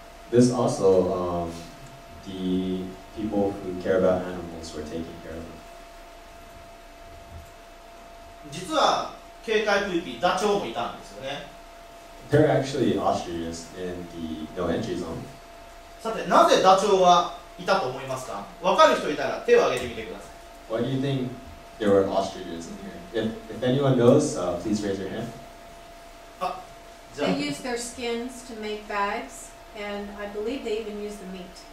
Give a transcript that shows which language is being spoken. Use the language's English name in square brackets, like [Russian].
[English] This also, the people who care about animals were taking care of them. [Japanese] 実は警戒区域、ダチョウもいたんですよね。 [English] They're actually ostriches in the no entry zone. [Japanese] さて、なぜダチョウはいたと思いますか？わかる人いたら手を挙げてみてください。 [English] Why do you think there were ostriches in here? If anyone knows, please raise your hand. They use their skins to make bags, and I believe they even use the meat.